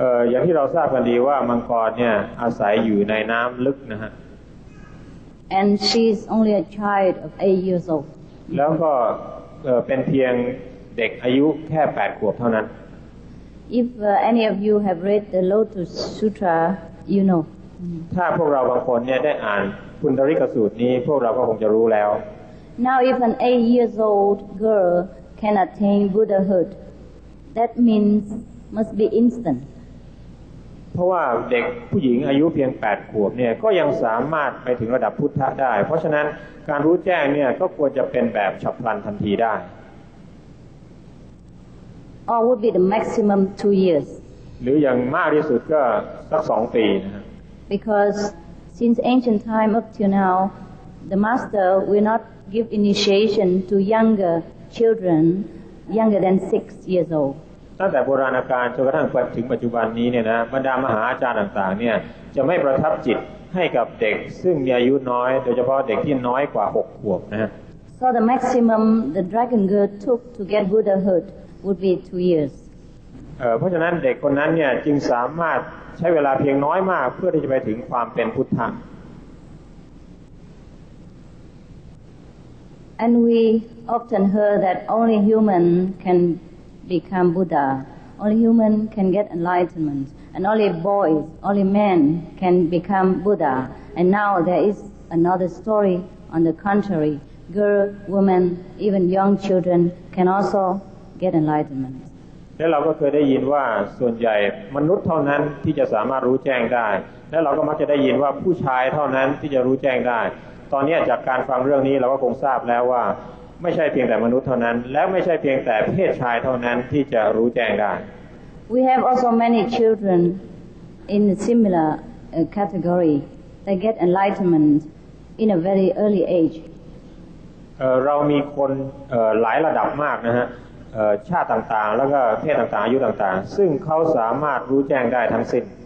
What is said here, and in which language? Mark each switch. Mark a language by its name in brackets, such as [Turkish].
[Thai] อย่างที่เราทราบกันดีว่ามังกรเนี่ยอาศัยอยู่ในน้ำลึกนะฮะ [English] And she is only a child of 8 years old. [Thai] แล้วก็เป็นเพียงเด็กอายุแค่8ขวบเท่านั้น [English] If any of you have read the Lotus Sutra, you know. [Thai] ถ้าพวกเราบางคนเนี่ยได้อ่านพุนทริกสูตรนี้พวกเราก็คงจะรู้แล้ว [English] Now if an 8 years old girlcan attain Buddhahood. That means must be instant. [Thai] เพราะว่าเด็กผู้หญิงอายุเพียง8ขวบเนี่ยก็ยังสามารถไปถึงระดับพุทธะได้เพราะฉะนั้นการรู้แจ้งเนี่ยก็ควรจะเป็นแบบฉับพลันทันทีได้ [English] Or would be the maximum 2 years. [Thai] หรืออย่างมากที่สุดก็สัก2ปีนะ [English] Because since ancient time up to now, the master will not give initiation to youngerchildren younger than 6 years old [Thai] ตั้งแต่โบราณกาลจนกระทั่งถึงปัจจุบันนี้เนี่ยนะบรรดามหาอาจารย์ต่างๆเนี่ยจะไม่ประทับจิตให้กับเด็กซึ่งมีอายุน้อยโดยเฉพาะเด็กที่น้อยกว่า6ขวบนะ [English] So the maximum the dragon girl took to get Buddhahood would be 2 years [Thai] เพราะฉะนั้นเด็กคนนั้นเนี่ยจึงสามารถใช้เวลาเพียงน้อยมากเพื่อที่จะไปถึงความเป็นพุทธะ [English] And weoften heard that only human can become Buddha, only human can get enlightenment. and only boys, only men can become Buddha. And now there is another story on the contrary. Girl, woman, even young children can also get enlightenment. [Thai] และเราก็เคยได้ยินว่าส่วนใหญ่มนุษย์เท่านั้นที่จะสามารถรู้แจ้งได้และเราก็มักจะได้ยินว่าผู้ชายเท่านั้นที่จะรู้แจ้งได้ตอนนี้จากการฟังเรื่องนี้เราก็คงทราบแล้วว่าไม่ใช่เพียงแต่มนุษย์เท่านั้นและไม่ใช่เพียงแต่เพศชายเท่านั้นที่จะรู้แจ้งได้ [English] We have also many children in a similar category that get enlightenment in a very early age [Thai] เรามีคนหลายระดับมากนะฮะชาติต่างๆแล้วก็เพศต่างๆอายุต่างๆซึ่งเขาสามารถรู้แจ้งได้ทั้งสิ้น